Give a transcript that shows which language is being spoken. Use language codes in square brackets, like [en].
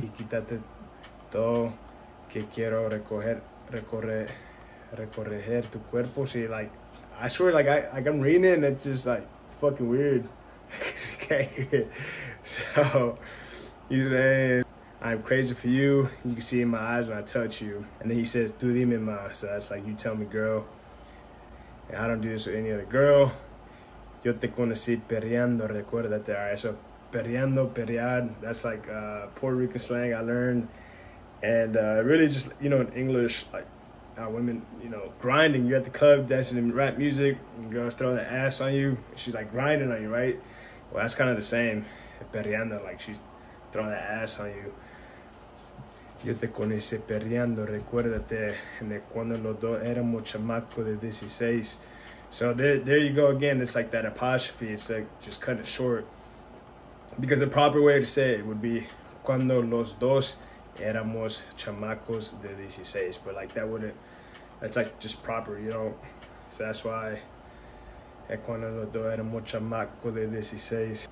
[es] Y quítate todo que quiero recorrer tu cuerpo. [en] See, like I swear, like I I'm reading it and it's just like it's fucking weird because you can't hear it. So he's saying, I'm crazy for you, you can see in my eyes when I touch you. And then he says, [es] tú dime más. [en] So that's like, you tell me, girl. And I don't do this with any other girl. [es] Yo te conocí perreando, recuérdate. [en] All right, so perreando, perrear, that's like Puerto Rican slang I learned, and really just, you know, in English, like women, you know, grinding, you're at the club dancing and rap music and girls throw their ass on you, she's like grinding on you, right? Well, that's kind of the same, perreando, like she's throwing that ass on you. [es] Yo te conocí perreando, recuérdate, cuando los dos éramos chamacos de 16. [en] So there you go again, it's like that apostrophe, it's like just cut it short. Because the proper way to say it would be, [es] cuando los dos éramos chamacos de 16. [en] But like that wouldn't, that's like just proper, you know? So that's why, [es] cuando los dos éramos chamacos de 16.